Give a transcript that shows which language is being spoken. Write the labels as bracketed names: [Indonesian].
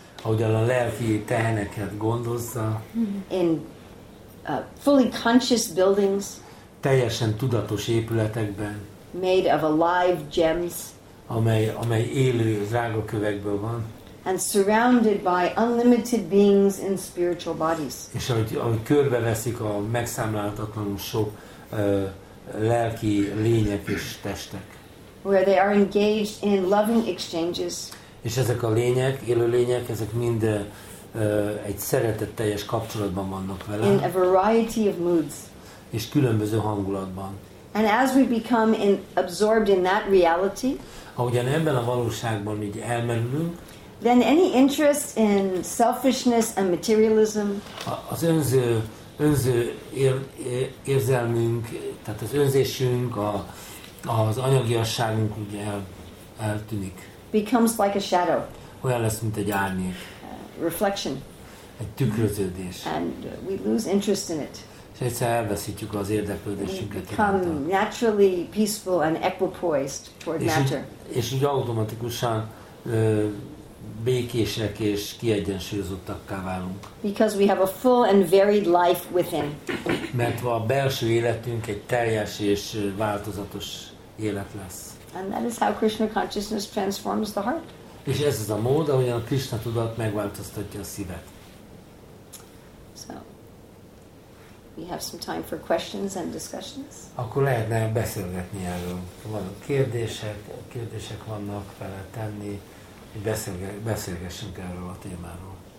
[Hungarian] Ahogyan a lelki teheneket gondozza. [English] In fully conscious buildings. [Hungarian] Teljesen tudatos épületekben. [English] Made of alive gems. [Hungarian] Amely élő drágakövekből van. [English] and surrounded by unlimited beings in spiritual bodies. [Hungarian] És ahogy körbeveszik a megszámláltatlanul sok lelki lények és testek. [English] Where they are engaged in loving exchanges. [Hungarian] És ezek a lények, élő lények, ezek mind egy szeretetteljes kapcsolatban vannak vele. [English] In a variety of moods. [Hungarian] És különböző hangulatban. [English] And as we become absorbed in that reality, [Hungarian] ahogyan ebben a valóságban így elmerülünk, [English] then any interest in selfishness and materialism, [Hungarian] az önző érzelmünk, tehát az önzésünk, az anyagiasságunk ugye eltűnik. [English] Becomes like a shadow. [Hungarian] Olyan lesz, mint egy árnyék. [English] Reflection. [Hungarian] Egy tükröződés. [English] And we lose interest in it. [Hungarian] És egyszer elveszítjük az érdeklődésünket. [English] Become naturally peaceful and equipoised toward matter. [Hungarian] És úgy automatikusan békések és kiegyensúlyozottakká válunk. [English] Because we have a full and varied life within. [Hungarian] Mert a belső életünk egy teljes és változatos élet lesz. [English] And that is how Krishna consciousness transforms the heart. [Hungarian] És ez az a mód, ahogyan a Krishna tudat megváltoztatja a szívet. [English] So, we have some time for questions and discussions. [Hungarian] Akkor lehetne beszélgetni erről. Vannak kérdések vannak vele tenni. Beszélgessünk erről a témáról.